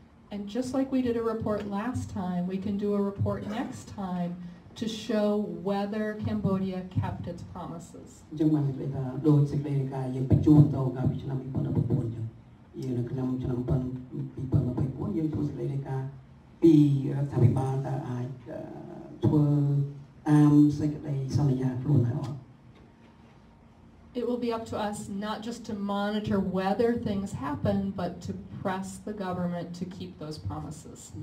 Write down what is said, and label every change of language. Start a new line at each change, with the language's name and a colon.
English: And just like we did a report last time, we can do a report next time to show whether Cambodia kept its promises.
Khmer: ជំរុញថាដោយសេចក្តីរាយការណ៍យើងបញ្ជូនទៅកាលពីឆ្នាំ2019យើងនៅក្នុងឆ្នាំ2024យើងធ្វើសេចក្តីរាយការណ៍ពីរដ្ឋាភិបាលតើអាចធ្វើតាមសេចក្តីសន្យាខ្លួនហើយអត់
English: It will be up to us not just to monitor whether things happen, but to press the government to keep those promises.